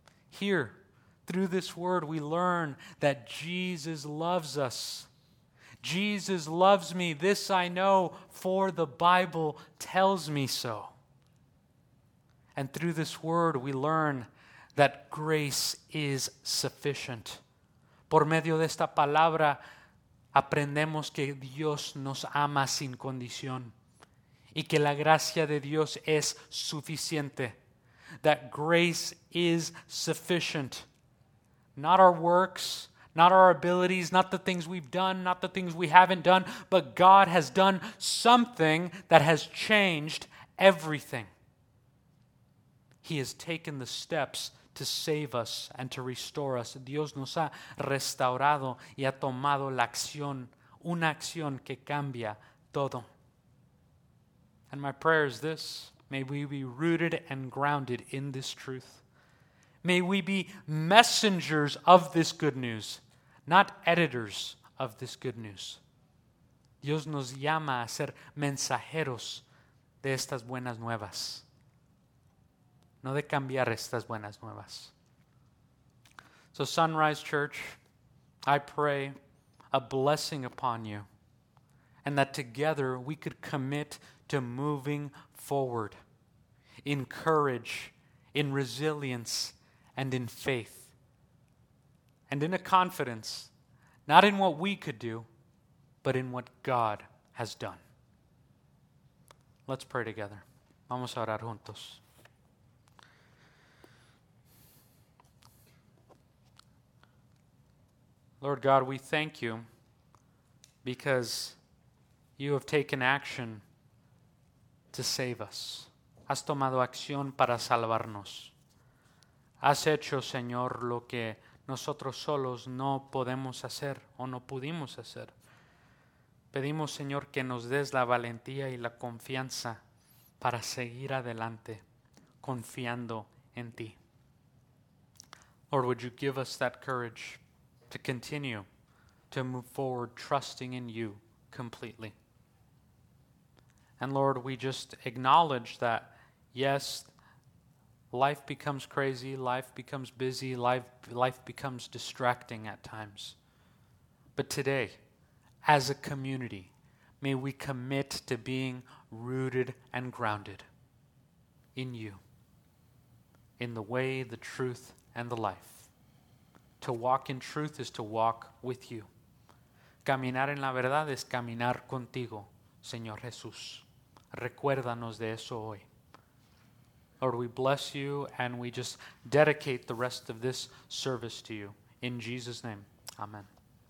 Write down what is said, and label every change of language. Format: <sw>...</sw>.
<en>Here, through this word, we learn that Jesus loves us. Jesus loves me, this I know, for the Bible tells me so. And through this word, we learn that grace is sufficient.</en> <es>Por medio de esta palabra, aprendemos que Dios nos ama sin condición y que la gracia de Dios es suficiente.</es> <en>That grace is sufficient. Not our works, not our abilities, not the things we've done, not the things we haven't done, but God has done something that has changed everything. He has taken the steps to save us and to restore us.</en> <es>Dios nos ha restaurado y ha tomado la acción, una acción que cambia todo.</es> <en>And my prayer is this: may we be rooted and grounded in this truth. May we be messengers of this good news, not editors of this good news.</en> <es>Dios nos llama a ser mensajeros de estas buenas nuevas. No de cambiar estas buenas nuevas.</es> <en>So Sunrise Church, I pray a blessing upon you and that together we could commit to moving forward in courage, in resilience, and in faith. And in a confidence, not in what we could do, but in what God has done. Let's pray together.</en> <es>Vamos a orar juntos.</es> <en>Lord God, we thank you because you have taken action to save us.</en> <es>Has tomado acción para salvarnos. Has hecho, Señor, lo que nosotros solos no podemos hacer o no pudimos hacer. Pedimos, Señor, que nos des la valentía y la confianza para seguir adelante confiando en ti.</es> <en>Lord, would you give us that courage to continue to move forward trusting in you completely. And Lord, we just acknowledge that, yes, life becomes crazy, life becomes busy, life becomes distracting at times. But today, as a community, may we commit to being rooted and grounded in you, in the way, the truth, and the life. To walk in truth is to walk with you.</en> <es>Caminar en la verdad es caminar contigo, Señor Jesús. Recuérdanos de eso hoy.</es> <en>Lord, we bless you and we just dedicate the rest of this service to you. In Jesus' name, amen.</en>